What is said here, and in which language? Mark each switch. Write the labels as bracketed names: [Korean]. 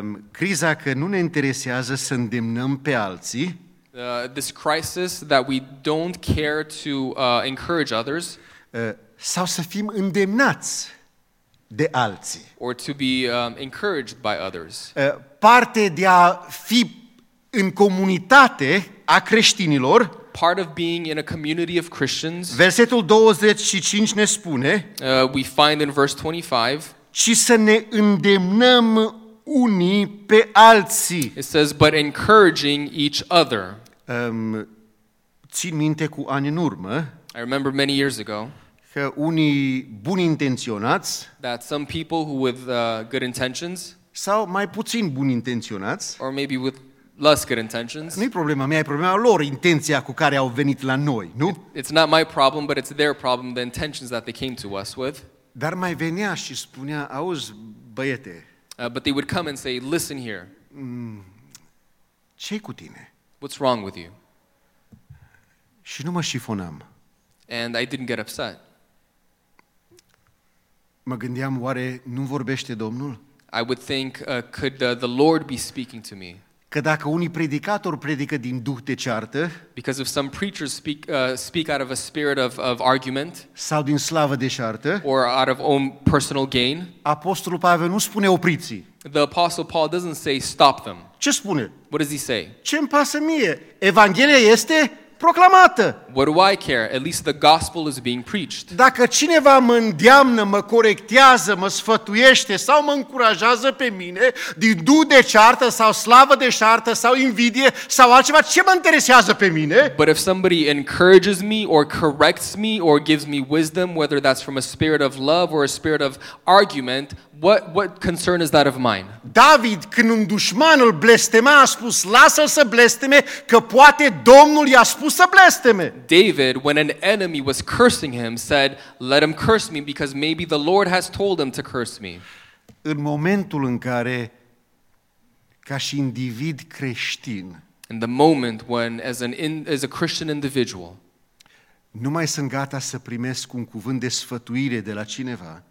[Romanian] Criza că nu ne interesează să îndemnăm pe alții. [English] This crisis that we don't care to encourage others. [Romanian] Sau să fim îndemnați de alții. [English] Or to be encouraged by others. [Romanian] Parte de a fi în comunitate a creștinilor. [English] Part of being in a community of Christians. [Romanian] Versetul 25 ne spune. [English] We find in verse 25. [Romanian] Ci să ne îndemnăm unii pe alții. [English] It says, but encouraging each other. [Romanian] Țin minte cu ani în urmă. [English] I remember many years ago. [Romanian] Că unii buni intenționați. [English] That some people who with good intentions. [Romanian] Sau mai puțin buni intenționați. [English] Or maybe with less good intentions. [Romanian] Nu-i problema mea, e problema lor, intenția cu care au venit la noi, nu? [English] It's not my problem, but it's their problem, the intentions that they came to us with. [Romanian] Dar mai venea și spunea: "Auzi, băiete." [English] But they would come and say, "Listen here." [Romanian] Ce-i cu tine? [English] What's wrong with you? [Romanian] Și nu mă șifonam. [English] And I didn't get upset. [Romanian] Mă gândeam, oare nu vorbește Domnul? [English] I would think, could the Lord be speaking to me? [Romanian] Că dacă unii predicatori predică din duh de ceartă, [English] because if some preachers speak out of a spirit of argument, [Romanian] sau din slavă de ceartă, [English] or out of own personal gain, [Romanian] apostolul Pavel nu spune opriți. [English] The apostle Paul doesn't say stop them. [Romanian] Ce spune? [English] What does he say? [Romanian] Ce-mi pasă mie? Evanghelia este proclamată. [English] What do I care? At least the gospel is being preached. [Romanian] Dacă cineva mă îndeamnă, mă corectează, mă sfătuiește sau mă încurajează pe mine din duh de ceartă sau slavă de ceartă sau invidie sau altceva, ce mă interesează pe mine? [English] But if somebody encourages me or corrects me or gives me wisdom, whether that's from a spirit of love or a spirit of argument, What concern is that of mine? [Romanian] David, când un dușman îl blestema, a spus: "Lasă-l să blesteme, că poate Domnul i-a spus să blesteme." [English] David, when an enemy was cursing him, said, "Let him curse me because maybe the Lord has told him to curse me." [Romanian] În momentul în care, ca și individ creștin, [English] in the moment when as a Christian individual, [Romanian] nu mai sunt gata să primesc un cuvânt de sfătuire de la cineva.